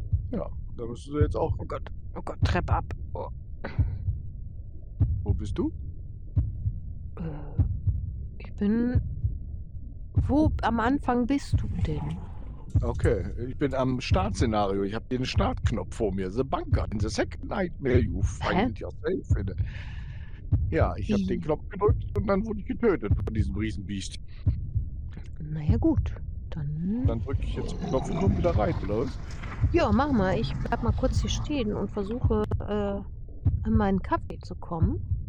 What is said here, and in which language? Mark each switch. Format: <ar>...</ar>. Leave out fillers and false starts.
<de>Ja, da bist du jetzt auch. Oh Gott. Oh Gott, Treppe ab. Oh. Wo bist du? Ich bin... Wo am Anfang bist du denn? Okay, ich bin am Startszenario. Ich habe den Startknopf vor mir.</de> <en>The Bunker in the second nightmare you find yourself in.</en> <de>Ja, ich habe den Knopf gedrückt und dann wurde ich getötet von diesem Riesenbiest. Naja gut, dann... Dann drücke ich jetzt den Knopf und komme wieder rein, oder was? Ja, mach mal. Ich bleib mal kurz hier stehen und versuche, an meinen Kaffee zu kommen.</de>